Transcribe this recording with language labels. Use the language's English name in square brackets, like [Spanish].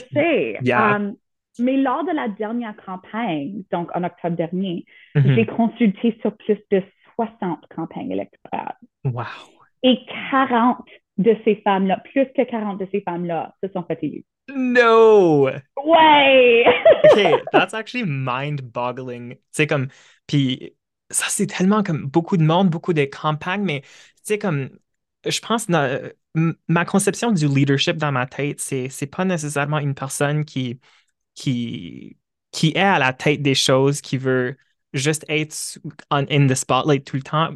[French] je sais. Mais lors de la dernière campagne, donc en octobre dernier, j'ai consulté sur plus de 60 campagnes électorales. Et 40 de ces femmes-là, plus que 40 de ces femmes-là, se sont fait élire. [English] No. [French] Ouais! [English] Okay, that's actually mind-boggling. [French] C'est comme, puis ça c'est tellement comme beaucoup de monde, beaucoup de campagnes, mais c'est comme, je pense ma conception du leadership dans ma tête, c'est pas nécessairement une personne qui est à la tête des choses, qui veut juste être [English] in the spotlight [French] tout le temps.